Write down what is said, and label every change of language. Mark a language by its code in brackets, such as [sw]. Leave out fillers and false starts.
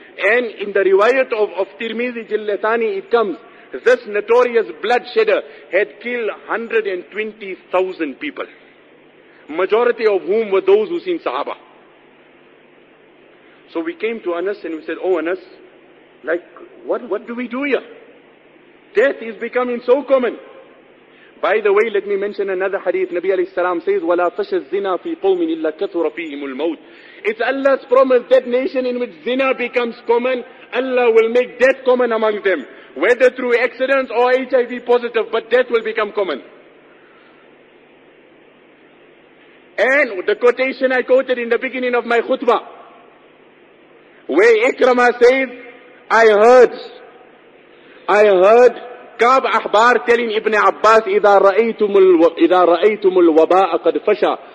[en] And in the riwayat of Tirmizi Jillatani, it comes, this notorious bloodshedder had killed 120,000 people, majority of whom were those who seen Sahaba. So we came to Anas and we said, oh Anas, like, what do we do here? Death is becoming so common. By the way, let me mention another hadith. Nabi alayhi salam says, [ar] وَلَا تَشَ الزِّنَا فِي قَوْمٍ إِلَّا كَثُرَ فِيهِمُ الْمَوْتِ. [en] It's Allah's promise, that nation in which zina becomes common, Allah will make death common among them. Whether through accidents or HIV positive, but death will become common. And the quotation I quoted in the beginning of my khutbah, where Ikramah says, I heard Kab Ahbar telling Ibn Abbas, [ar] إِذَا رَأَيْتُمُ الْوَبَاءَ قَدْ فَشَى.